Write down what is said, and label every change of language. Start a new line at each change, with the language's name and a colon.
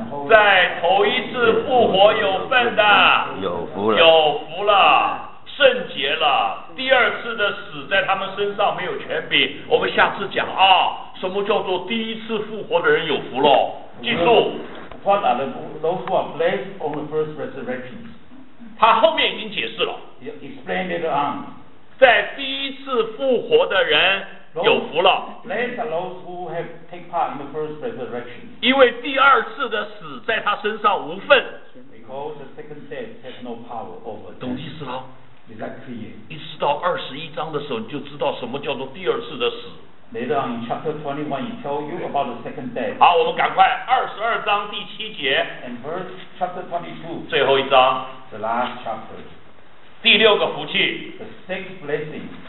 Chinese: 在头一次复活有份的，有福了，有福了，圣洁了。第二次的死在他们身上没有权柄。我们下次讲啊，什么叫做第一次复活的人有福了？记住
English: ，What are those who are blessed on the first resurrection？
Chinese: 他后面已经解释了
English: ，Explain it on。
Chinese: 在第一次复活的人。有福了。
English: Blessed are those who have taken part in the first resurrection.
Chinese: 因为第二次的死在他身上无份。
English: Because the second death has no power over.
Chinese: 懂意思了？
English: Is that clear?
Chinese: 一直到二十一章的时候，你就知道什么叫做第二次的死。
English: Later on, chapter 21, he tells you about the second death.
Chinese: 好，我们赶快，二十二章第七节。
English: And verse chapter 22.
Chinese: 最后一章。
English: The last chapter.
Chinese: 第六个福气。
English: The sixth blessing.